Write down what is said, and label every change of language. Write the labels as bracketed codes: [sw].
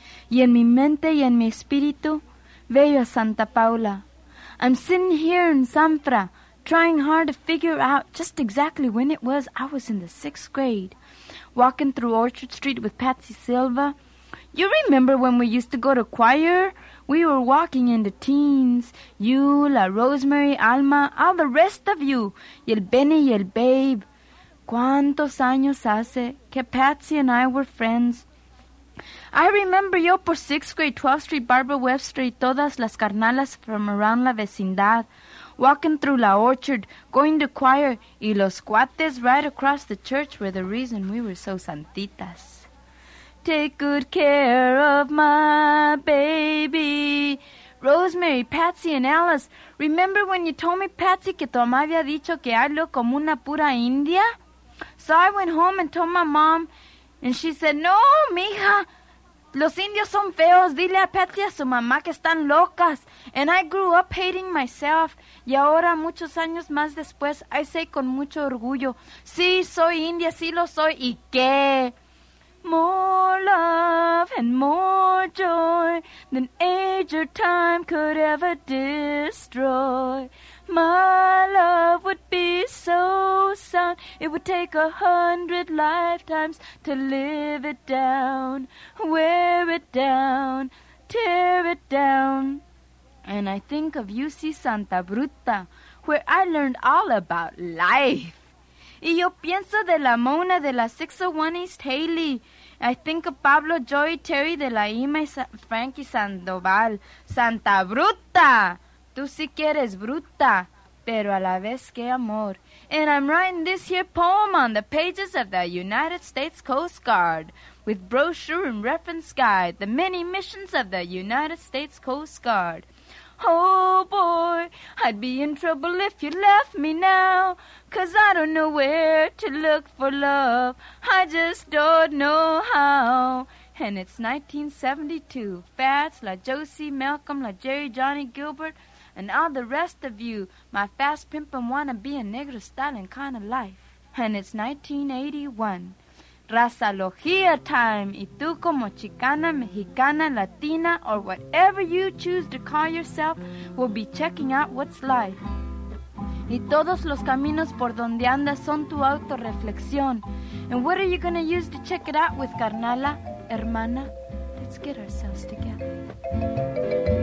[es] Y en mi mente y en mi espíritu, veo a Santa Paula. [en] I'm sitting here in Sanfra, trying hard to figure out just exactly when it was I was in the sixth grade, walking through Orchard Street with Patsy Silva. You remember when we used to go to choir? We were walking in the teens. You, La Rosemary, Alma, all the rest of you. [es] Y el Benny y el Babe. ¿Cuántos años hace que Patsy [en] and I were friends? I remember [es] yo por [en] sixth grade, 12th Street, Barbara Webb Street, [es] todas las carnalas [en] from around [es] la vecindad. [en] Walking through La Orchard, going to choir, [es] y los cuates [en] right across the church were the reason we were so santitas. Take good care of my baby. Rosemary, Patsy, and Alice, remember when you told me, Patsy, [es] que tu mamá había dicho que [en] I look [es] como una pura india? [en] So I went home and told my mom, and she said, [es] no, mija, los indios son feos. Dile a Patsy a su mamá que están locas. [en] And I grew up hating myself. [es] Y ahora, muchos años más después, [en] I say [es] con mucho orgullo, sí, soy india, sí lo soy, ¿y qué? [en] More love and more joy than age or time could ever destroy. My love would be so sound, it would take 100 lifetimes to live it down, wear it down, tear it down. And I think of UC Santa Bruta, where I learned all about life. [es] Y yo pienso de la Mona de la 601 East Haley. [en] I think of Pablo, Joey, Terry de la Ima y Frankie Sandoval. [es] ¡Santa Bruta! Tú sí que eres bruta, pero a la vez que amor. [en] And I'm writing this here poem on the pages of the United States Coast Guard with brochure and reference guide, the many missions of the United States Coast Guard. Oh, boy, I'd be in trouble if you left me now, 'cause I don't know where to look for love. I just don't know how. And it's 1972. Fats, La Josie, Malcolm, La Jerry, Johnny Gilbert, and all the rest of you, my fast pimpin' wannabe a negro styling kind of life. And it's 1981. Razalogia time, [es] y tú como chicana, mexicana, latina, [en] or whatever you choose to call yourself, will be checking out what's life. [es] Y todos los caminos por donde andas son tu autorreflexión. [en] And what are you going to use to check it out with, [es] carnala, hermana? [en] Let's get ourselves together.